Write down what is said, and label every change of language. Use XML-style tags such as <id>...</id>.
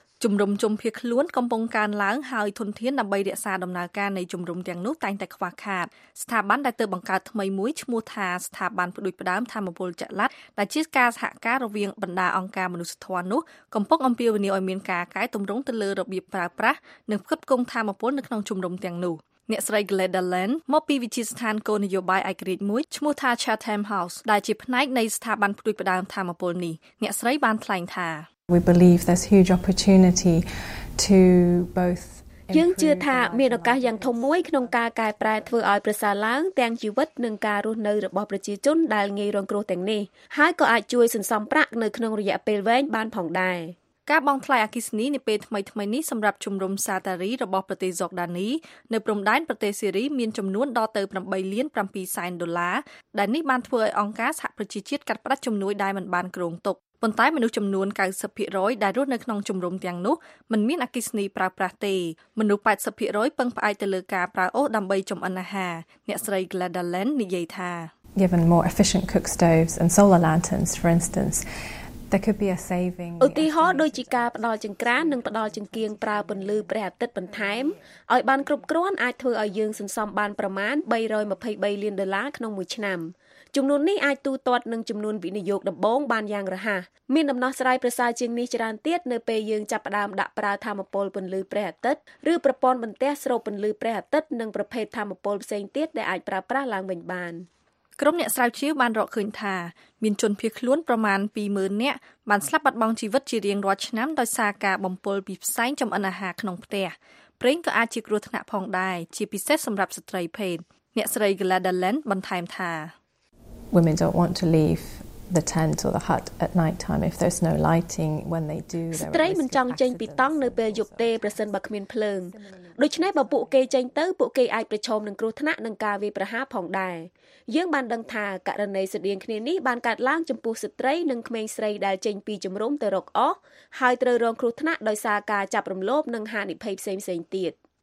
<km>ជំរំជុំភៀសខ្លួនកំពុងកើនឡើងហើយធនធានដើម្បីរក្សាដំណើរការនៃជំរំទាំងនោះតែងតែខ្វះខាតស្ថាប័នដែលទើបបង្កើតថ្មីមួយឈ្មោះថាស្ថាប័នផ្ដួចផ្ដើមធម្មពលចល័តដែលជាការសហការរវាងបណ្ដាអង្គការមនុស្សធម៌នោះកំពុងអំពាវនាវឲ្យមានការកែតម្រង់ទៅលើរបៀបប្រើប្រាស់និងផ្គត់ផ្គង់ធម្មពលនៅក្នុងជំរំទាំងនោះអ្នកស្រី Gleda Land មកពីវិទ្យាស្ថានគោលនយោបាយអាក្រិកមួយឈ្មោះថា Chatham House ដែលជាផ្នែកនៃស្ថាប័នផ្ដួចផ្ដើមធម្មពលនេះអ្នកស្រីបានថ្លែងថា</km> <en>We believe there's huge opportunity to both</en> <km>យើងជឿថាមានឱកាសយ៉ាងធំមួយក្នុងការកែប្រែធ្វើឲ្យប្រសើរឡើងទាំងជីវិតនិងការរស់នៅរបស់ប្រជាជនដែលងាយរងគ្រោះទាំងនេះហើយក៏អាចជួយសន្សំប្រាក់នៅក្នុងរយៈពេលវែងបានផងដែរ ការបង់ថ្លៃអគ្គិសនីនាពេលថ្មីៗនេះសម្រាប់ជំរំសាតារីរបស់ប្រទេសយ៉រដានីនៅព្រំដែនប្រទេសសេរីមានចំនួនដល់ទៅ $87,700,000ដែលនេះបានធ្វើឲ្យអង្គការសហប្រជាជាតិកាត់ផ្តាច់ជំនួយដែលមិនបានគ្រោងទុកប៉ុន្តែមនុស្សចំនួន 90% ដែលរស់នៅក្នុងជំរំទាំងនោះមិនមានអគ្គិសនីប្រើប្រាស់ទេមនុស្ស 80% ពឹងផ្អែកទៅលើការប្រើអុសដើម្បីចម្អិនអាហារអ្នកស្រី Gladalen និយាយថា</km> <en>Given more efficient cook stoves and solar lanterns for instance there could be a saving</en> <km>ឧទាហរណ៍ដូចជាការផ្ដល់ចង្ក្រាននិងផ្ដល់ចង្កៀងប្រើពន្លឺព្រះអាទិត្យបន្ថែមឲ្យបានគ្រប់គ្រាន់អាចធ្វើឲ្យយើងសន្សំបានប្រមាណ$323,000,000ក្នុងមួយឆ្នាំចំនួននេះអាចទូទាត់នឹងចំនួនវិនិយោគដំបូងបានយ៉ាងរហ័សមានដំណោះស្រាយប្រសើរជាងនេះច្រើនទៀតនៅពេលយើងចាប់ផ្ដើមដាក់ប្រើថាមពលពន្លឺព្រះអាទិត្យឬប្រព័ន្ធបន្ទះស្រូបពន្លឺព្រះអាទិត្យនិងប្រភេទថាមពលផ្សេងទៀតដែលអាចប្រើប្រាស់ឡើងវិញបាន ក្រុមអ្នកស្រាវជ្រាវបានរកឃើញថាមានជនភៀសខ្លួនប្រមាណ 20,000 នាក់បានស្លាប់បាត់បង់ជីវិតជារៀងរាល់ឆ្នាំដោយសារការបំពុលពីផ្សែងចំអិនអាហារក្នុងផ្ទះប្រេងក៏អាចជាគ្រោះថ្នាក់ផងដែរជាពិសេសសម្រាប់ស្ត្រីភេទអ្នកស្រី Gladalen បន្ថែមថា</km> <en>Women don't want to leave the tent or the hut at night time if there's no lighting when they do</en> <km>ស្ត្រីមិនចង់ចេញពីតង់នៅពេលយប់ទេប្រសិនបើគ្មានភ្លើងដូច្នេះបើពួកគេចេញទៅពួកគេអាចប្រឈមនឹងគ្រោះថ្នាក់នឹងការវាយប្រហារផងដែរយើងបានដឹងថាករណីស្រដៀងគ្នានេះបានកើតឡើងចំពោះស្ត្រីនិងក្មេងស្រីដែលចេញពីជំរំទៅរកអុសហើយត្រូវរងគ្រោះថ្នាក់ដោយសារការចាប់រំលោភនិងហានិភ័យផ្សេងៗទៀត</km>